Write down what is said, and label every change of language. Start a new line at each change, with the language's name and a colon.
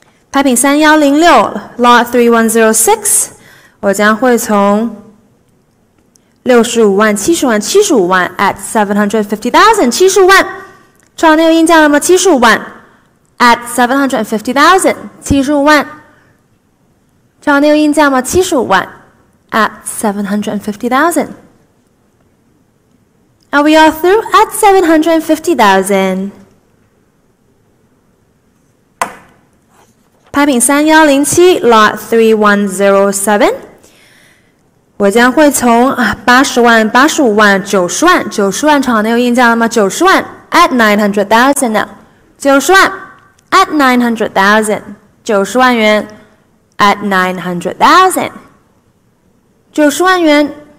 Chinese: 拍品3106 lot 3106，我将会从65万、70万、75万
English: at 750,000，
Chinese: 75万，创内有应价了吗？ 75万
English: at 750,000，
Chinese: 75万，创内有应价吗？ 75万
English: at 750,000。 Are we all through at 750,000?
Chinese: 拍品3107 lot 3107，我将会从80万、85万、90万、90万场内有应价了吗？ 90万
English: at 900,000 now， 90万 at 900,000，
Chinese: 90万元
English: at 900,000， 90万元。